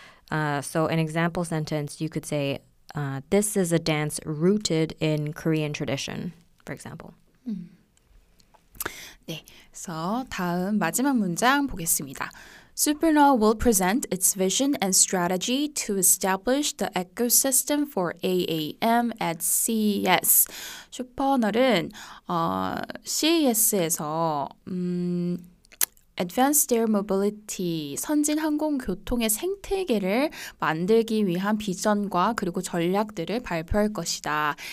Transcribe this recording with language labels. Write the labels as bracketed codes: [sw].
[en] So an example sentence, you could say, this is a dance rooted in Korean tradition, for example. [ko] 네, 그래서 다음 마지막 문장 보겠습니다. [en] Supernal will present its vision and strategy to establish the ecosystem for AAM at CES. [ko] Supernal은 CES에서 Advanced Air Mobility, 선진 항공 교통의 생태계를 만들기 위한 비전과 그리고 전략들을 발표할 것이다.